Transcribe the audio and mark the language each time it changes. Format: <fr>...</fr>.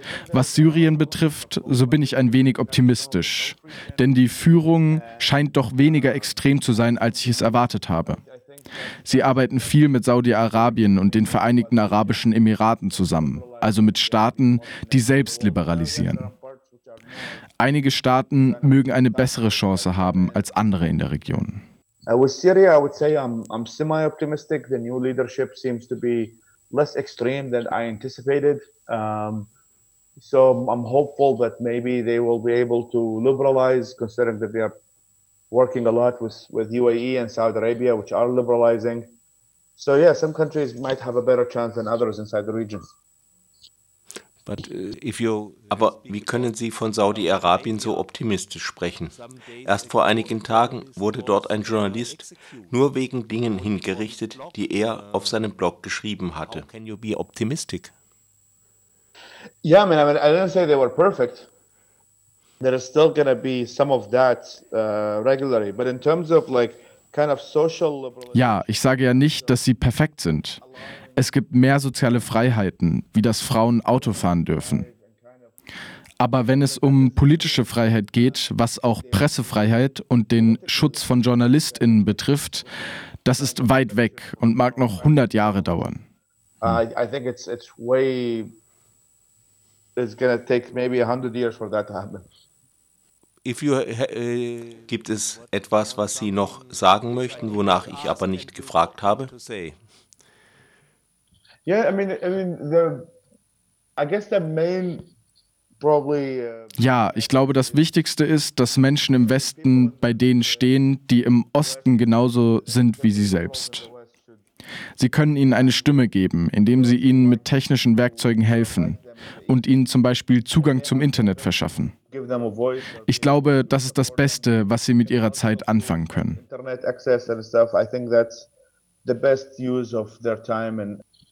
<de>Was Syrien betrifft, so bin ich ein wenig optimistisch, denn die Führung scheint doch weniger extrem zu sein, als ich es erwartet habe. Sie arbeiten viel mit Saudi-Arabien und den Vereinigten Arabischen Emiraten zusammen, also mit Staaten, die selbst liberalisieren. Einige Staaten mögen eine bessere Chance haben als andere in der Region.</de> <en>With Syria, I would say I'm semi-optimistic. The new leadership seems to be less extreme than I anticipated. So I'm hopeful that maybe they will be able to liberalize, considering that they are working a lot with UAE and Saudi Arabia, which are liberalizing. So yeah, some countries might have a better chance than others inside the region. But if you,</en> <de>aber wie können Sie von Saudi-Arabien so optimistisch sprechen? Erst vor einigen Tagen wurde dort ein Journalist nur wegen Dingen hingerichtet, die er auf seinem Blog geschrieben hatte.</de> <en>How can you be optimistic? Yeah, I mean, I didn't say they were perfect. There is still going to be some of that regularly. But in terms of like kind of social liberalism.</en> <de>Ja, ich sage ja nicht, dass sie perfekt sind. Es gibt mehr soziale Freiheiten, wie dass Frauen Auto fahren dürfen. Aber wenn es um politische Freiheit geht, was auch Pressefreiheit und den Schutz von JournalistInnen betrifft, das ist weit weg und mag noch 100 Jahre dauern.</de> <en>I think it's way, it's gonna take maybe 100 years for that to happen. If you,</en> <de>gibt es etwas, was Sie noch sagen möchten, wonach ich aber nicht gefragt habe?</de> <en>Yeah, I mean the, I guess the main probably.</en> <de>Ja, ich glaube, das Wichtigste ist, dass Menschen im Westen bei denen stehen, die im Osten genauso sind wie sie selbst. Sie können ihnen eine Stimme geben, indem sie ihnen mit technischen Werkzeugen helfen und ihnen zum Beispiel Zugang zum Internet verschaffen. Ich glaube, das ist das Beste, was sie mit ihrer Zeit anfangen können.</de> <en>Internet access and stuff. I think that's the best use of their time and</en>